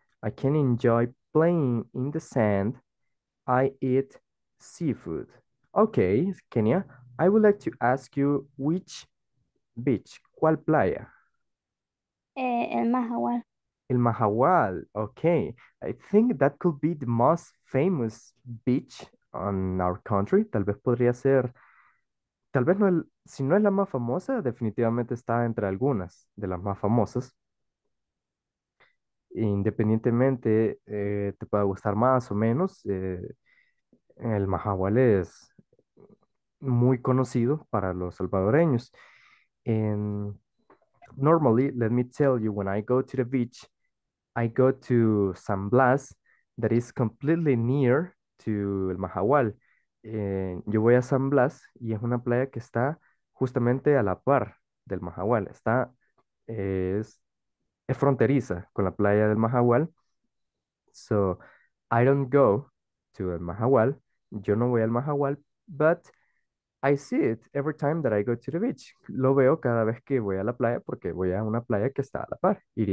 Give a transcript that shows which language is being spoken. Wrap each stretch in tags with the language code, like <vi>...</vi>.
<en>I can enjoy playing in the sand. I eat seafood. Okay, Kenya, I would like to ask you which beach,</en> <es>¿cuál playa? El Mahahual. El Mahahual, okay.</es> <en>I think that could be the most famous beach on our country.</en> <es>Tal vez podría ser, tal vez no, el, si no es la más famosa, definitivamente está entre algunas de las más famosas. Independientemente, te pueda gustar más o menos, el Mahahual es muy conocido para los salvadoreños.</es> <en>And normally, let me tell you, when I go to the beach, I go to San Blas, that is completely near to El Mahahual.</en> <es>Yo voy a San Blas y es una playa que está justamente a la par del Mahahual. Está, es fronteriza con la playa del Mahahual.</es> <en>So, I don't go to El Mahahual.</en> <es>Yo no voy al Mahahual,</es> <en>but I see it every time that I go to the beach.</en> <es>Lo veo cada vez que voy a la playa porque voy a una playa que está a la par.</es>